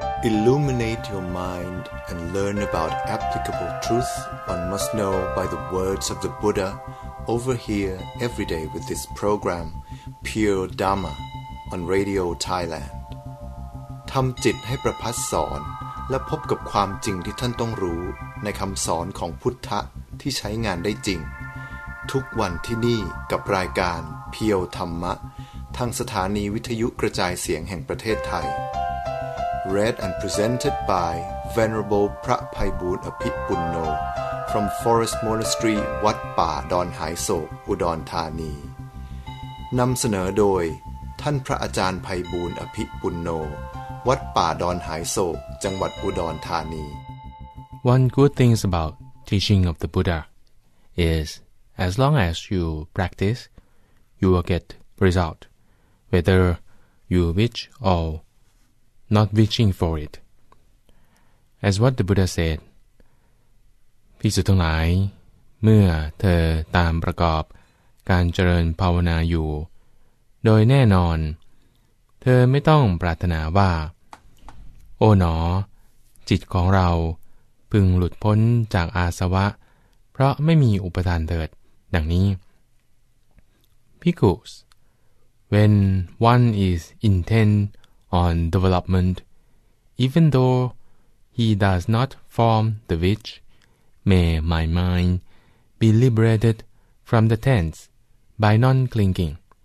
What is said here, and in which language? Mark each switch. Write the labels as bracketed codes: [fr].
[en] Illuminate your mind and learn about applicable truth one must know by the words of the Buddha over here every day with this program, Pure Dharma, on Radio Thailand. [th] ทำจิตให้ประพัสสอนและพบกับความจริงที่ท่านต้องรู้ในคำสอนของพุทธะที่ใช้งานได้จริงทุกวันที่นี่กับรายการเพียวธรรมะทางสถานีวิทยุกระจายเสียงแห่งประเทศไทย [en] Read and presented by Venerable [th] พระไพบูลย์อภิปุณโญ [en] from Forest Monastery [th] วัดป่าดอนหายโศกอุดรธานีนำเสนอโดยท่านพระอาจารย์ไพบูลย์อภิปุณโญวัดป่าดอนหายโศกจังหวัดอุดรธานี [en] One good thing about teaching of the Buddha is as long as you practice, you will get result, whether you reach or not reaching for it. As what the Buddha said, [th] ภิกษุทั้งหลายเมื่อเธอตามประกอบการเจริญภาวนาอยู่โดยแน่นอนเธอไม่ต้องปรารถนาว่า โอ๋หนอจิตของเราพึงหลุดพ้นจากอาสวะเพราะไม่มีอุปทานเถิดดังนี้ภิกขุ [en] When one is intent on development, even though he does not form the wish, may my mind be liberated from the tents by non-clinging.